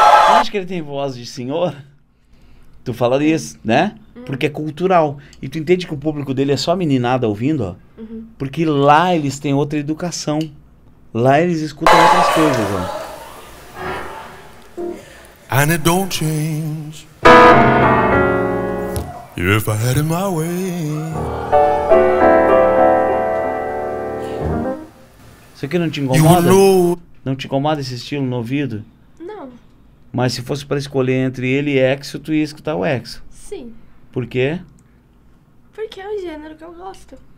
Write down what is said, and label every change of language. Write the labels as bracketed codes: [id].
[pt] Acho que ele tem voz de senhor. Tu falaria isso, né? Porque é cultural. E tu entende que o público dele é só meninada ouvindo, ó? Uhum. Porque lá eles têm outra educação. Lá eles escutam outras coisas, ó. [en] And it don't change if I had it my way. [pt] Isso aqui não te incomoda? Não te incomoda esse estilo no ouvido? Não. Mas se fosse pra escolher entre ele e Exo, tu ia escutar o Exo. Sim. Por quê? Porque é o gênero que eu gosto.